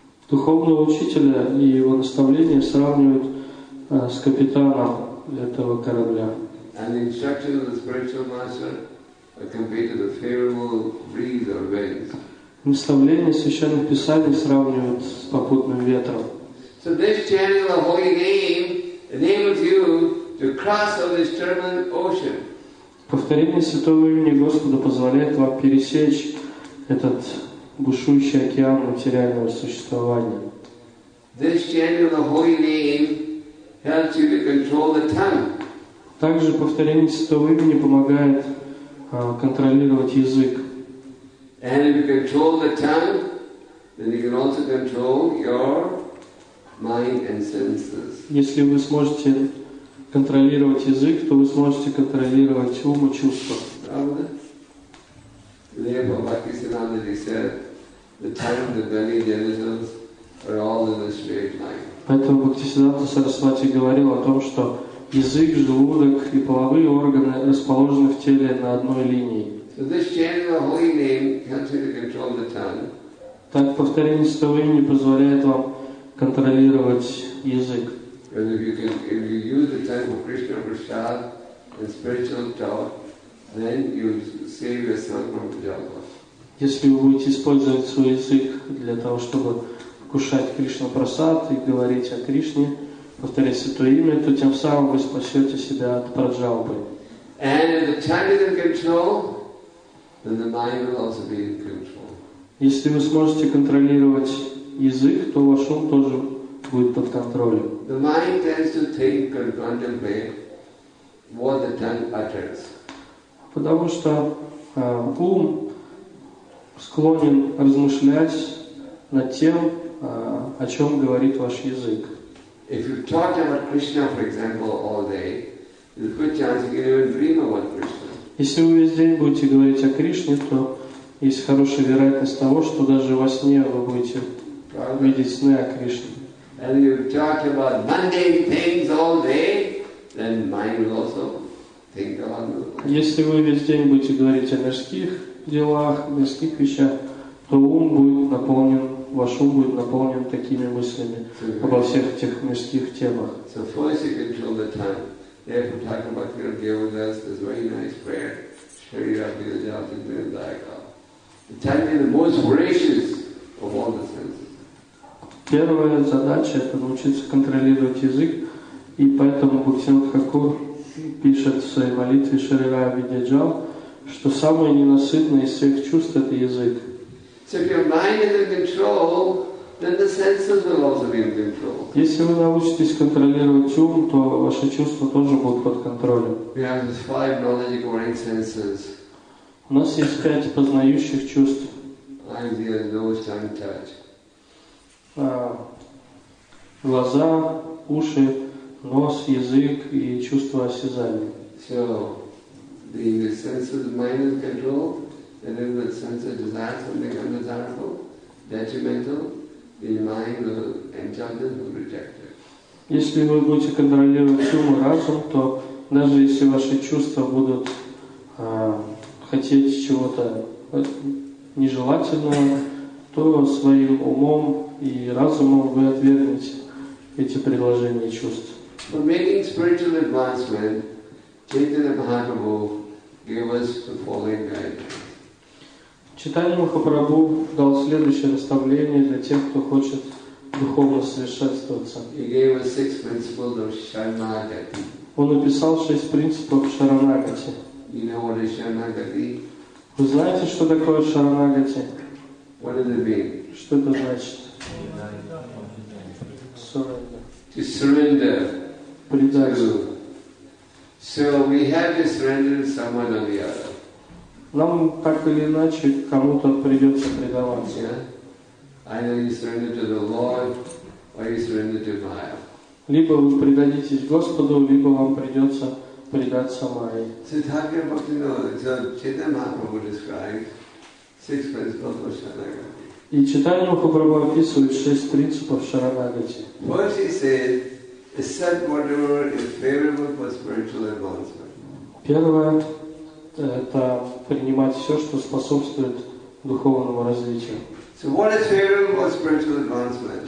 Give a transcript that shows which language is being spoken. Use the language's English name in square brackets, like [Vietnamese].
[Russian] Духовного учителя и его наставления сравнивают с капитаном этого корабля. [English] And the instructions of the spiritual master are compared to the favorable breeze or winds. [Russian] Наставление Священных Писаний сравнивают с попутным ветром. [English] So this chant of the holy name enables you to cross over this turbulent ocean. [Russian] Повторение святого имени Господа позволяет вам пересечь этот бушующий океан материального существования. [English] This chant of the holy name helps you to control the tongue. [Russian] Также повторение святого имени помогает контролировать язык. [English] And if you control the tongue, then you can also control your mind and senses. [Russian] Если вы сможете контролировать язык, то вы сможете контролировать ум и чувства. Правда? Лево [English] Бхактисиддханта said, the tongue, the belly, the genitals are all in the spirit mind. [Russian] Поэтому Бхактисиддханта Сарасвати говорил о том, что язык, желудок и половые органы расположены в теле на одной линии. [English] So this chant of the holy name helps you to control the tongue. [Russian] Так повторение святого имени позволяет вам контролировать язык. [English] And if you use the tongue for Krishna prasad and spiritual talk, then you save yourself from jhala. [Russian] Если вы будете использовать свой язык для того, чтобы кушать Кришна прасад и говорить о Кришне, повторять святое имя, то тем самым вы спасете себя от праджалбы. [English] And if the tongue is in control, then the mind will also be in control. [Russian] Если вы сможете контролировать язык, то ваш ум тоже будет под контролем. [English] The mind tends to think and contemplate what the tongue utters. [Russian] Потому что ум склонен размышлять над тем, о чем говорит ваш язык. [English] If you talk about Krishna, for example, all day, there's a good chance you can even dream about Krishna. [Russian] Если вы весь день будете говорить о Кришне, то есть хорошая вероятность того, что даже во сне вы будете видеть сны о Кришне. [English] And if you talk about mundane things all day, then mind will also think about them. [Russian] Если вы весь день будете говорить о мирских делах, мирских вещах, то ум будет наполнен, ваш ум будет наполнен такими мыслями обо всех этих мирских темах. [English] So first you control the time. Therefore, talking about Krishna Devadas is a very nice prayer. Sharira Bhidajati Dhyandayaka. The tongue is the most voracious of all the senses. [Russian] Первая задача – это научиться контролировать язык, и поэтому Бхактисиддханта Тхакур пишет в своей молитве Шарира Видяджал, что самое ненасытное из всех чувств – это язык. [English] So if your mind is in control, then the senses will also be in control. [Russian] Если вы научитесь контролировать ум, то ваши чувства тоже будут под контролем. [English] We have these five knowledge-acquiring senses. [Russian] У нас есть пять познающих чувств. [English] Eyes, ears, nose, tongue, touch. [Russian] Глаза, уши, нос, язык и чувство осязания. [English] So, in the senses mind is controlled, and if the senses desire something undesirable, detrimental, the mind will enjoy this, will reject it. [Russian] Если вы будете контролировать ум и разум, то даже если ваши чувства будут хотеть чего-то нежелательного, то своим умом и разумом вы отвергнете эти предложения и чувства. [English] For making spiritual advancement, Chaitanya Mahaprabhu gave us the following guidance. [Russian] Чайтанья Махапрабху дал следующее наставление для тех, кто хочет духовно совершенствоваться. [English] He gave us six principles of Sharanagati. [Russian] Он написал шесть принципов Шаранагати. [English] You know what is Sharanagati? [Russian] Вы знаете, что такое Шаранагати? [English] What does it mean? [Russian] Что это значит? [English] To surrender. [Russian] Предать. [English] So we have to surrender someone or the other. [Russian] Нам так или иначе кому-то придется предаваться. [English] Either you surrender to the Lord, or you surrender to Maya. [Russian] Либо вы предадитесь Господу, либо вам придется предаться Майе. [English] So talking about, you know, so Chaitanya Mahaprabhu described six principles of Shanagar. [Russian] И Чайтанья Махапрабху описывает шесть принципов Шаранагати. [English] First he said, accept whatever is favorable for spiritual advancement. [Russian] Первое – это принимать все, что способствует духовному развитию. [English] So what is favorable for spiritual advancement?